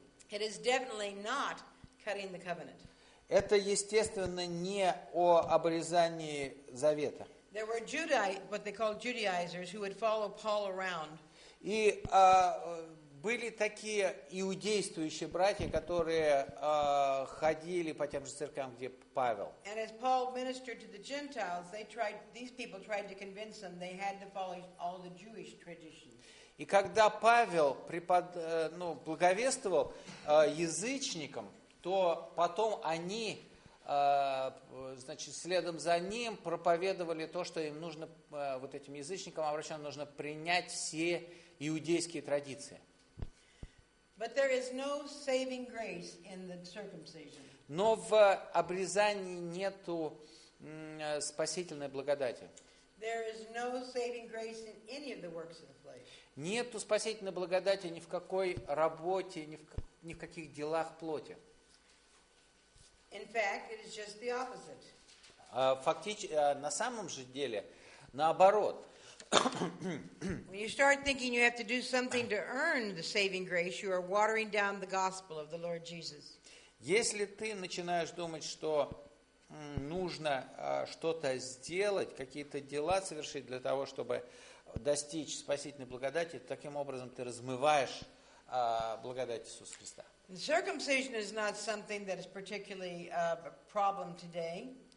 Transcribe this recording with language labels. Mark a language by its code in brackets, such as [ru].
[en] It is definitely not cutting the covenant. [ru] Это, естественно, не о обрезании завета. [en] There were Judaizers, what they called Judaizers, who would follow Paul around. [ru] И были такие иудействующие братья, которые ходили по тем же церквям, где Павел. [en] And as Paul ministered to the Gentiles, they tried, these people tried to convince them they had to follow all the Jewish traditions. [ru] И когда Павел благовествовал язычникам, то потом они значит, следом за ним проповедовали то, что им нужно, вот этим язычникам обращенным, нужно принять все иудейские традиции. [en] But there is no saving grace in the circumcision. [ru] Но в обрезании нету спасительной благодати. [en] There is no saving grace in any of the works of the flesh. [ru] Нету спасительной благодати ни в какой работе, ни в каких делах плоти. [en] In fact, it is just the opposite. [ru] На самом же деле, наоборот. [en] When you start thinking you have to do something to earn the saving grace, you are watering down the gospel of the Lord Jesus. [ru] Если ты начинаешь думать, что нужно что-то сделать, какие-то дела совершить для того, чтобы достичь спасительной благодати, таким образом ты размываешь благодать Иисуса Христа. [en] Circumcision is not something that is particularly a problem today.